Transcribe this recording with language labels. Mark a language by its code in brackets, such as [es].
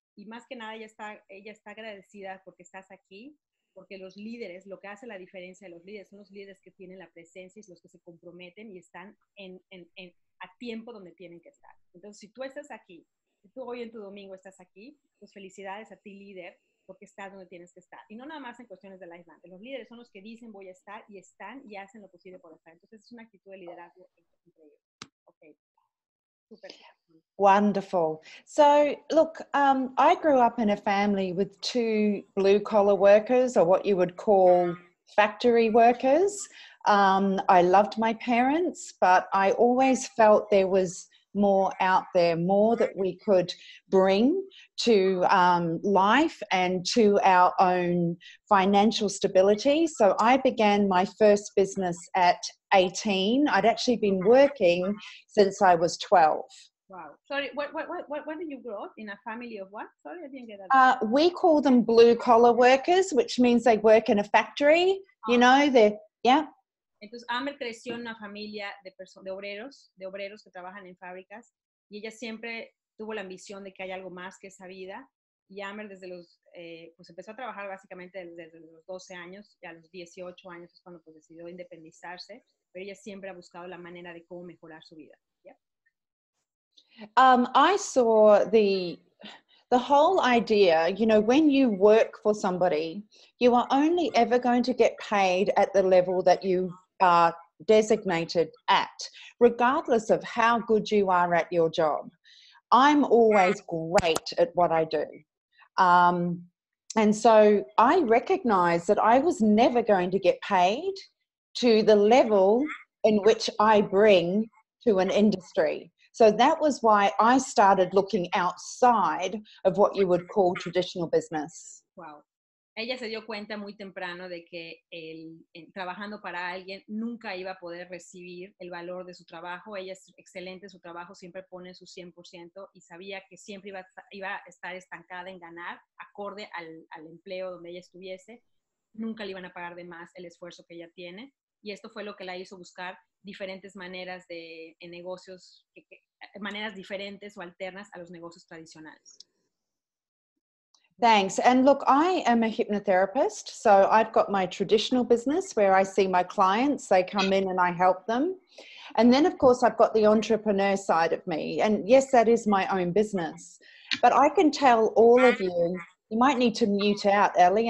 [es] Y más que nada ella está agradecida porque estás aquí, porque los líderes, lo que hace la diferencia de los líderes, son los líderes que tienen la presencia y los que se comprometen y están en a tiempo donde tienen que estar. Entonces, si tú estás aquí, si tú hoy en tu domingo estás aquí, pues felicidades a ti, líder, porque estás donde tienes que estar. Y no nada más en cuestiones de Lifevantage. Los líderes son los que dicen voy a estar y están y hacen lo posible por estar. Entonces, es una actitud de liderazgo entre ellos. Ok. Super. [en] Wonderful. So, look, I grew up in a family with two blue-collar workers, or what you would call factory workers. I loved my parents, but I always felt there was more out there, more that we could bring to life and to our own financial stability. So I began my first business at 18. I'd actually been working since I was 12. Wow. Sorry, what did you grow up in a family of what? Sorry, I didn't get that. We call them blue collar workers, which means they work in a factory. You know, they're, yeah. [es] Entonces, Amber creció en una familia de obreros que trabajan en fábricas y ella siempre tuvo la ambición de que haya algo más que esa vida. Y Amber desde los, pues empezó a trabajar básicamente desde los 12 años y a los 18 años es cuando pues decidió independizarse, pero ella siempre ha buscado la manera de cómo mejorar su vida. [en] I saw the whole idea, you know, when you work for somebody, you are only ever going to get paid at the level that you are designated at, regardless of how good you are at your job. I'm always great at what I do. And so I recognized that I was never going to get paid to the level in which I bring to an industry. So that was why I started looking outside of what you would call traditional business. Wow. [es] Ella se dio cuenta muy temprano de que trabajando para alguien nunca iba a poder recibir el valor de su trabajo. Ella es excelente, su trabajo siempre pone su 100% y sabía que siempre iba a estar estancada en ganar acorde al empleo donde ella estuviese. Nunca le iban a pagar de más el esfuerzo que ella tiene. Y esto fue lo que la hizo buscar diferentes maneras de negocios, maneras diferentes o alternas a los negocios tradicionales. [en] Thanks. And look, I am a hypnotherapist, so I've got my traditional business where I see my clients, they come in and I help them. And then, of course, I've got the entrepreneur side of me. And yes, that is my own business. But I can tell all of you, you might need to mute out, Ellie.